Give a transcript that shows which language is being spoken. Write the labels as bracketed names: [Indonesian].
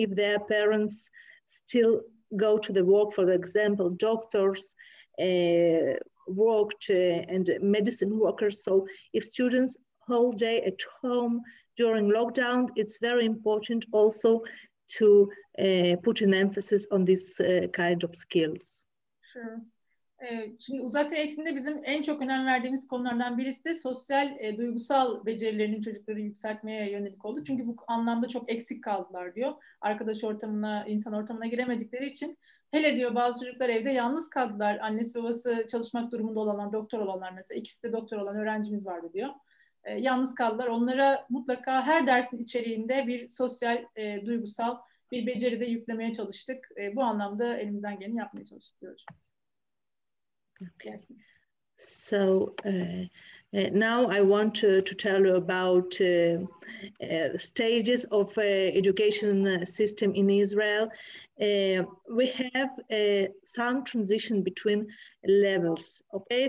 [English] If their parents still go to the work, for example, doctors, worked and medicine workers. So if students whole day at home during lockdown, it's very important also to put an emphasis on this kind of skills. Sure. [Turkish] Şimdi uzaktan eğitimde bizim en çok önem verdiğimiz konulardan birisi de sosyal, duygusal becerilerini çocukların yükseltmeye yönelik oldu. Çünkü bu anlamda çok eksik kaldılar diyor. Arkadaş ortamına, insan ortamına giremedikleri için. Hele diyor bazı çocuklar evde yalnız kaldılar. Annesi babası çalışmak durumunda olanlar, doktor olanlar mesela. İkisi de doktor olan öğrencimiz vardı diyor. Yalnız kaldılar. Onlara mutlaka her dersin içeriğinde bir sosyal, duygusal bir beceride yüklemeye çalıştık. Bu anlamda elimizden geleni yapmaya çalıştık diyorum. [English] Okay. Yes. So now I want to tell you about stages of education system in Israel. We have some transition between levels, okay?